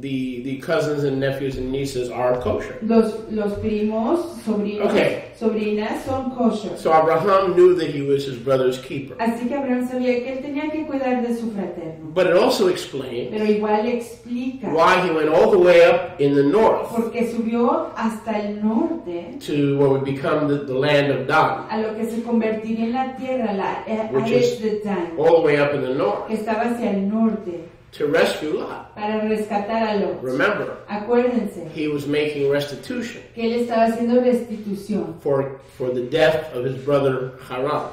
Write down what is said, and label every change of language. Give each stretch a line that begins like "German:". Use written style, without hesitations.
English: The cousins and nephews and nieces are kosher.
Spanish: Los primos, sobrinos.
English: Okay.
Spanish: sobrinas son kosher.
English: So Abraham knew that he was his brother's keeper.
Spanish: Así que Abraham sabía que él tenía que cuidar de su fraterno.
English: But it also explains,
Spanish: pero igual explica,
English: why he went all the way up in the north.
Spanish: Porque subió hasta el norte.
English: To what would become the land of Dan.
Spanish: A lo que se convertiría en la tierra, la Eretz de Dan.
English: All the way up in the north.
Spanish: Que estaba hacia el norte.
English: To rescue Lot.
Spanish: Para rescatar a Lot.
English: Remember.
Spanish: Acuérdense.
English: He was making restitution.
Spanish: Que él estaba haciendo restitución.
English: For the death of his brother Haran.